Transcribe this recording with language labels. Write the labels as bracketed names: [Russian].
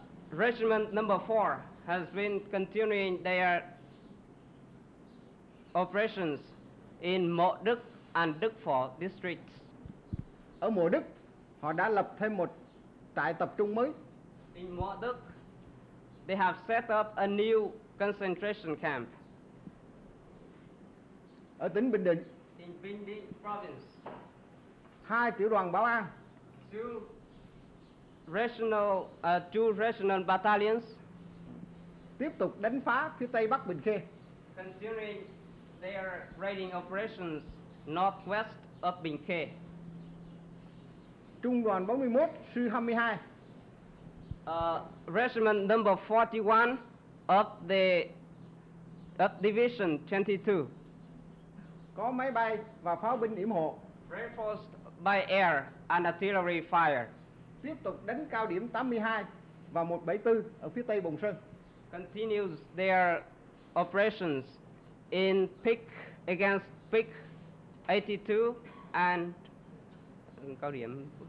[English] Regiment number 4 has been continuing their operations in Mộ Đức and Đức Phổ districts. [Vietnamese] Ở Mộ Đức, họ đã lập thêm một trại tập trung mới. [English] In Mộ Đức, they have set up a new concentration camp. [Vietnamese] Ở tỉnh Bình Định, [English] in Bình Định province, [Vietnamese] hai tiểu đoàn bảo an, [English] two regional battalions, [Vietnamese] tiếp tục đánh phá phía tây bắc Bình Khê. [English] Continuing their raiding operations northwest of Bình Khê. [Vietnamese] Trung đoàn 41, sư 22. [English] Regiment number 41 of the division 22. [Vietnamese] có máy bay và pháo binh yểm hộ. [English] Reinforced by air and artillery fire. [Vietnamese] Tiếp tục đánh cao điểm 82 và 174 ở phía tây Bồng Sơn. [English] Continues their operations in peak against peak 82 and [Vietnamese] cao điểm